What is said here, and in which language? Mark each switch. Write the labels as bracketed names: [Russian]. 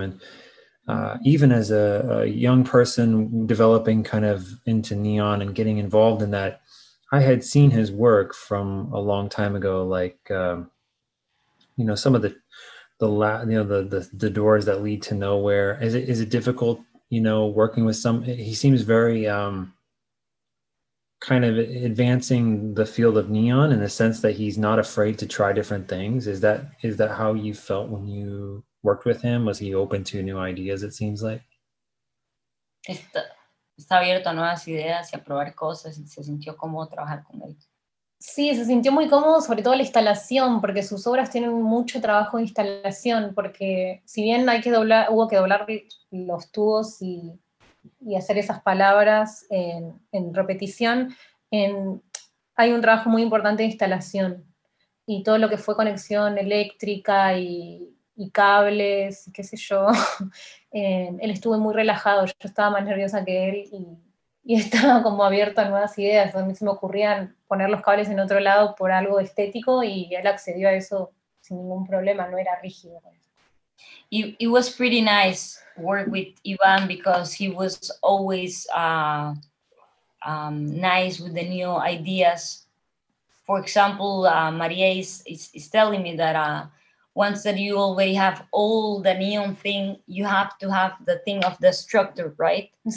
[English] And even as a young person developing kind of into neon and getting involved in that, I had seen his work from a long time ago, like, you know, some of the doors that lead to nowhere. Is it difficult you know, working with some, he seems very kind of advancing the field of neon in the sense that he's not afraid to try different things. Is that how you felt when you worked with him? Was he open to new ideas, it seems like? [Spanish] Está abierto a nuevas ideas y a probar cosas. Se sintió cómodo trabajar con él. Sí, se sintió muy cómodo, sobre todo la instalación, porque sus obras tienen mucho trabajo de instalación, porque si bien hubo que doblar los tubos y hacer esas palabras en repetición, hay un trabajo muy importante de instalación, y todo lo que fue conexión eléctrica y cables, qué sé yo, él estuvo muy relajado, yo estaba más nerviosa que él, y estaba como abierto a nuevas ideas, a mí se me ocurrían poner los cables en otro lado por algo estético, y él accedió a eso sin ningún problema, no era rígido. [English] It was pretty nice work with Ivan because he was always nice with the new ideas. For example, Maria is telling me that once that you already have all the neon thing, you have to have the thing of the structure, right?